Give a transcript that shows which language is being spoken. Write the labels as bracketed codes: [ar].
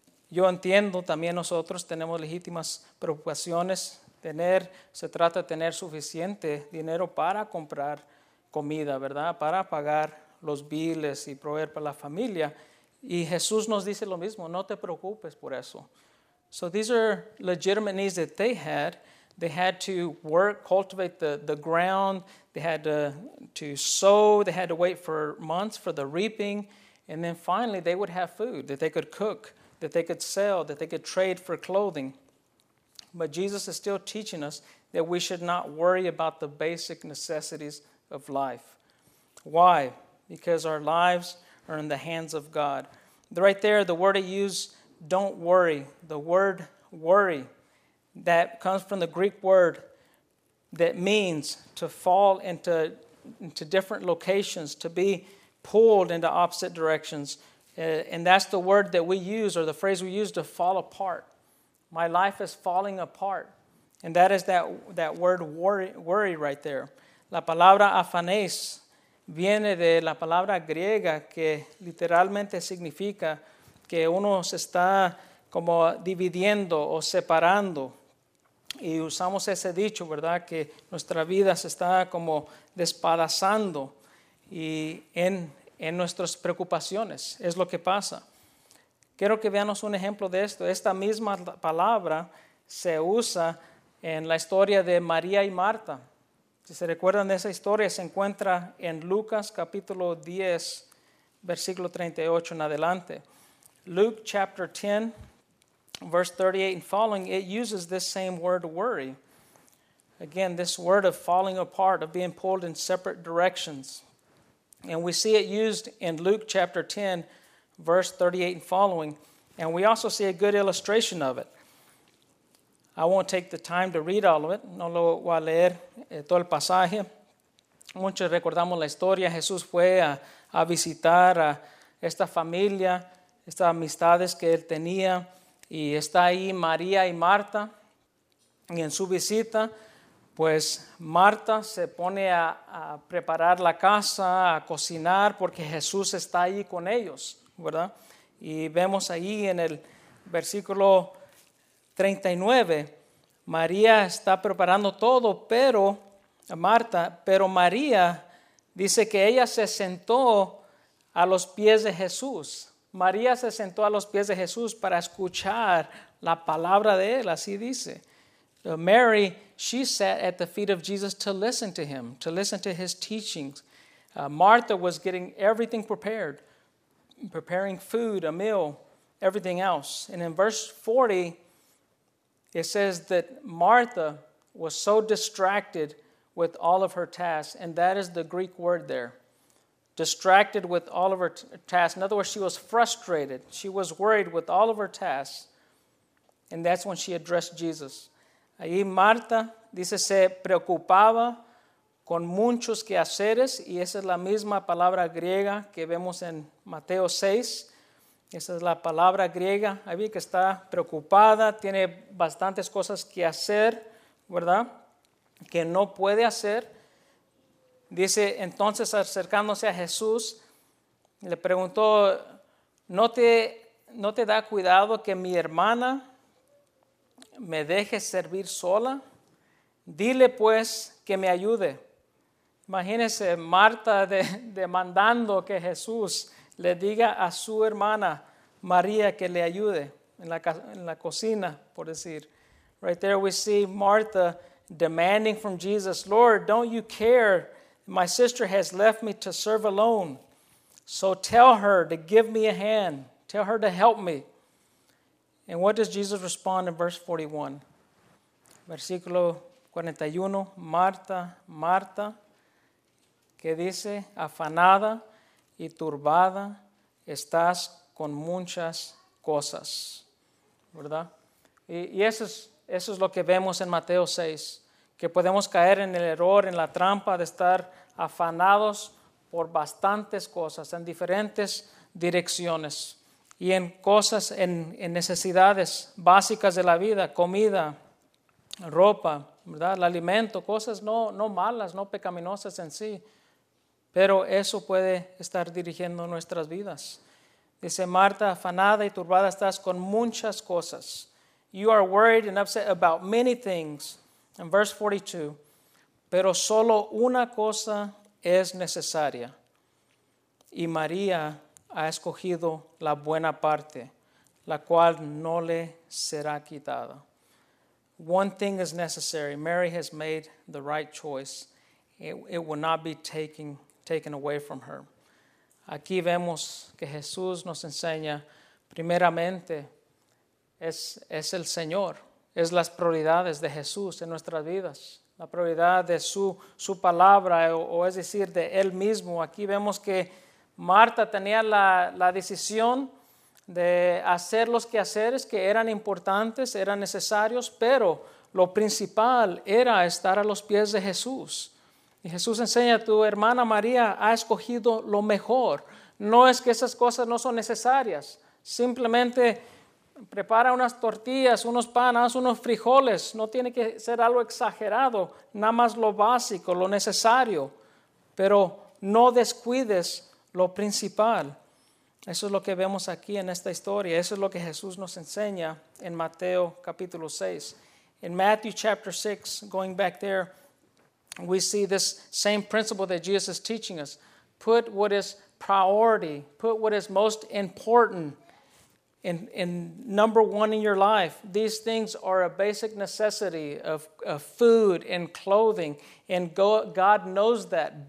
[es] Yo entiendo, también nosotros tenemos legítimas preocupaciones. Se trata de tener suficiente dinero para comprar comida, ¿verdad? Para pagar los biles y proveer para la familia. Y Jesús nos dice lo mismo, no te preocupes por eso. [en] So these are legitimate needs that they had. They had to work, cultivate the ground. They had to sow. They had to wait for months for the reaping. And then finally, they would have food that they could cook, that they could sell, that they could trade for clothing. But Jesus is still teaching us that we should not worry about the basic necessities of life. Why? Because our lives are in the hands of God. Right there, the word he used, don't worry. The word worry, that comes from the Greek word that means to fall into different locations, to be pulled into opposite directions. And that's the word that we use, or the phrase we use, to fall apart. My life is falling apart. And that is that word worry right there. [es] La palabra afanés viene de la palabra griega que literalmente significa que uno se está como dividiendo o separando. Y usamos ese dicho, ¿verdad? Que nuestra vida se está como despedazando y en nuestras preocupaciones. Es lo que pasa. Quiero que veamos un ejemplo de esto. Esta misma palabra se usa en la historia de María y Marta. Si se recuerdan de esa historia, se encuentra en Lucas capítulo 10, versículo 38 en adelante. [en] Luke chapter 10, verse 38 and following, it uses this same word worry. Again, this word of falling apart, of being pulled in separate directions. And we see it used in Luke chapter 10, verse 38 and following. And we also see a good illustration of it. I won't take the time to read all of it. [es] No lo voy a leer todo el pasaje. Muchos recordamos la historia. Jesús fue a visitar a esta familia, estas amistades que él tenía. Y está ahí María y Marta. Y en su visita, pues Marta se pone a preparar la casa, a cocinar, porque Jesús está ahí con ellos, ¿verdad? Y vemos ahí en el versículo 39, María está preparando todo, pero Marta, pero María dice que ella se sentó a los pies de Jesús. María se sentó a los pies de Jesús para escuchar la palabra de él, así dice. [en] Mary, she sat at the feet of Jesus to listen to him, to listen to his teachings. Martha was getting everything prepared, preparing food, a meal, everything else. And in verse 40, it says that Martha was so distracted with all of her tasks, and that is the Greek word there. Distracted with all of her tasks. In other words, she was frustrated. She was worried with all of her tasks. And that's when she addressed Jesus. [es] Ahí Marta dice, se preocupaba con muchos quehaceres. Y esa es la misma palabra griega que vemos en Mateo 6. Esa es la palabra griega. Ahí que está preocupada, tiene bastantes cosas que hacer, ¿verdad? Que no puede hacer. Dice, entonces acercándose a Jesús, le preguntó, ¿No te da cuidado que mi hermana me deje servir sola? Dile pues que me ayude. Imagínese Marta demandando que Jesús le diga a su hermana María que le ayude en la cocina, por decir. [en] Right there we see Martha demanding from Jesus, Lord, don't you care? My sister has left me to serve alone. So tell her to give me a hand. Tell her to help me. And what does Jesus respond in verse 41? [es] Versículo 41, Marta, Marta, que dice, afanada y turbada, estás con muchas cosas. ¿Verdad? Y eso es lo que vemos en Mateo 6, que podemos caer en el error, en la trampa de estar afanados por bastantes cosas en diferentes direcciones. Y en cosas, en necesidades básicas de la vida, comida, ropa, ¿verdad? El alimento, cosas no malas, no pecaminosas en sí. Pero eso puede estar dirigiendo nuestras vidas. Dice Marta, afanada y turbada estás con muchas cosas. [en] You are worried and upset about many things. In verse 42, [es] pero solo una cosa es necesaria. Y María ha escogido la buena parte, la cual no le será quitada. [en] One thing is necessary. Mary has made the right choice. It will not be taken away from her. [es] Aquí vemos que Jesús nos enseña, primeramente, es el Señor. Es las prioridades de Jesús en nuestras vidas. La prioridad de su palabra, o es decir, de Él mismo. Aquí vemos que Marta tenía la decisión de hacer los quehaceres que eran importantes, eran necesarios, pero lo principal era estar a los pies de Jesús. Y Jesús enseña, tu hermana María ha escogido lo mejor. No es que esas cosas no son necesarias. Simplemente prepara unas tortillas, unos panes, unos frijoles. No tiene que ser algo exagerado, nada más lo básico, lo necesario. Pero no descuides lo principal. Eso es lo que vemos aquí en esta historia. Eso es lo que Jesús nos enseña en Mateo capítulo 6. [en] In Matthew chapter 6, going back there, we see this same principle that Jesus is teaching us. Put what is priority, put what is most important in number one in your life. These things are a basic necessity of food and clothing, and God knows that.